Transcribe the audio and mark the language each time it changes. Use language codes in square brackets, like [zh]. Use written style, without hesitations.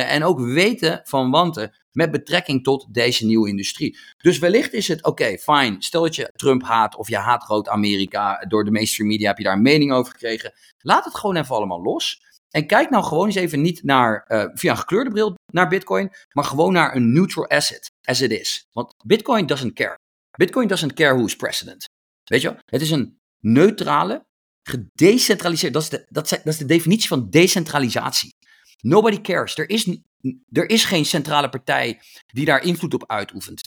[nl] En ook weten van wanten met betrekking tot deze nieuwe industrie. Dus wellicht is het, oké, fine. Stel dat je Trump haat of je haat groot Amerika. Door de mainstream media heb je daar een mening over gekregen. Laat het gewoon even allemaal los. En kijk nou gewoon eens even niet naar via een gekleurde bril naar Bitcoin, maar gewoon naar een neutral asset, [en] as it is. Want Bitcoin doesn't care. Bitcoin doesn't care who is president. [nl] Weet je wel? Het is een neutrale, gedecentraliseerde, dat is de definitie van decentralisatie. [en] Nobody cares. [nl] Er is geen centrale partij die daar invloed op uitoefent.